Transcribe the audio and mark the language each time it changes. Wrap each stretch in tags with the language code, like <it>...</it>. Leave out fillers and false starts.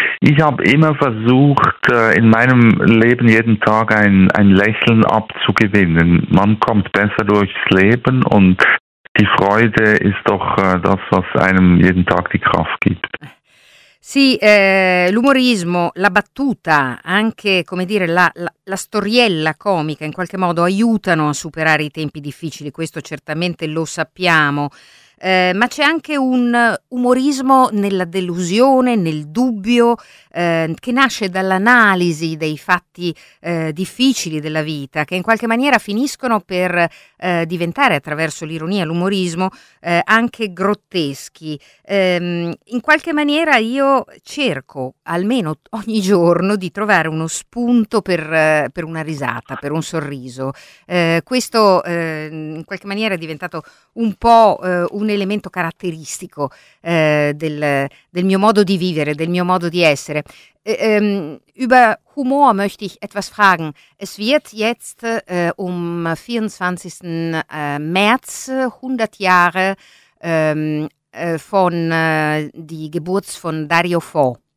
<de>Ich habe immer versucht, in meinem Leben jeden Tag ein Lächeln abzugewinnen. Man kommt besser durchs Leben und die Freude ist doch das, was einem jeden Tag die Kraft gibt.</de> <it>Sì, l'umorismo, la battuta, anche come dire la storiella comica in qualche modo aiutano a superare i tempi difficili, questo certamente lo sappiamo, ma c'è anche un umorismo nella delusione, nel dubbio, che nasce dall'analisi dei fatti difficili della vita, che in qualche maniera finiscono per diventare, attraverso l'ironia, l'umorismo, anche grotteschi. In qualche maniera io cerco, almeno ogni giorno, di trovare uno spunto per una risata, per un sorriso. Questo in qualche maniera è diventato un po' un elemento caratteristico del mio modo di vivere, del mio modo di essere.</it> <de>Über Humor möchte ich etwas fragen. Es wird jetzt um 24. März 100 Jahre von die Geburt von Dario Fo.</de>